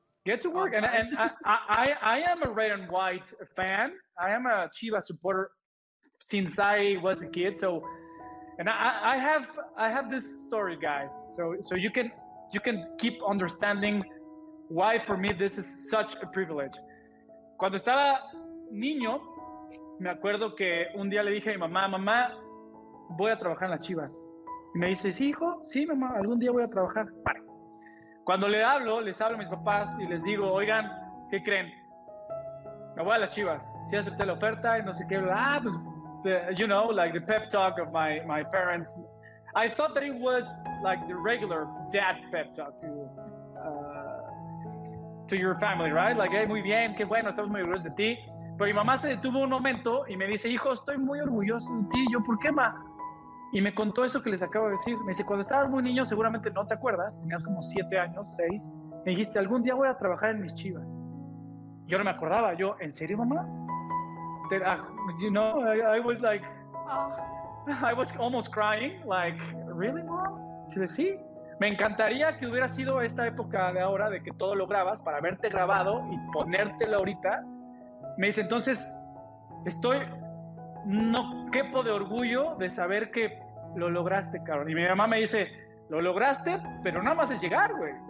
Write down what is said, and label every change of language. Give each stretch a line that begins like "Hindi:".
English: Get to work. Awesome. And I am a red and white fan. I am a Chivas supporter since I was a kid. So, and I have this story, guys. So you can keep understanding why for me this is such a privilege.
Spanish: Cuando estaba niño, me acuerdo que un día le dije a mi mamá, mamá, voy a trabajar en las Chivas. Y me dice, sí, hijo, sí, mamá, algún día voy a trabajar. Vale. Cuando les hablo a mis papás y les digo, oigan, ¿qué creen? Me voy a las Chivas. Sí, acepté la oferta y no sé qué. Ah, pues,
English: you know, like the pep talk of my parents. I thought that it was like the regular dad pep talk to your family, right? Like, hey,
Spanish: muy bien, qué bueno, estamos muy orgullosos de ti. Pero mi mamá se detuvo un momento y me dice, hijo, estoy muy orgulloso de ti. Yo, ¿por qué, ma? Y me contó eso que les acabo de decir. Me dice, cuando estabas muy niño, seguramente no te acuerdas, tenías como 7 años, 6, me dijiste, algún día voy a trabajar en mis Chivas. Yo no me acordaba. Yo, ¿en serio, mamá?
English: You know, I was like, I was almost crying, like, really, mom? She said, sí.
Spanish: Me encantaría que hubiera sido esta época de ahora de que todo lo grabas para verte grabado y ponértelo ahorita. Me dice, entonces, estoy, no quepo de orgullo de saber que lo lograste, cabrón. Y mi mamá me dice, lo lograste, pero nada más es llegar, güey.